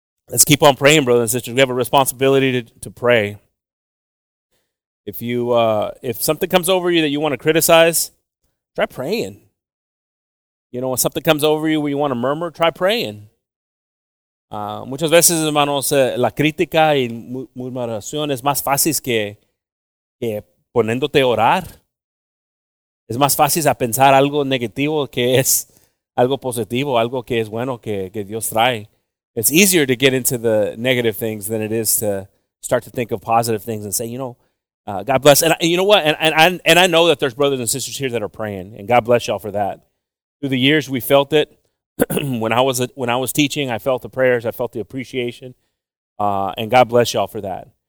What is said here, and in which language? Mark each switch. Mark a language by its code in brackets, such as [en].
[en] Let's keep on praying, brothers and sisters. We have a responsibility to pray. If you if something comes over you that you want to criticize, try praying. You know, when something comes over you where you want to murmur, try praying. [es] Muchas veces, hermanos, la crítica y murmuración es más fácil que poniéndote a orar. Es más fácil a pensar algo negativo que es algo positivo, algo que es bueno que Dios trae. [en] It's easier to get into the negative things than it is to start to think of positive things and say, you know, God bless. And you know what? And I know that there's brothers and sisters here that are praying, and God bless y'all for that. Through the years, we felt it. When I was teaching, I felt the prayers, I felt the appreciation, and God bless y'all for that.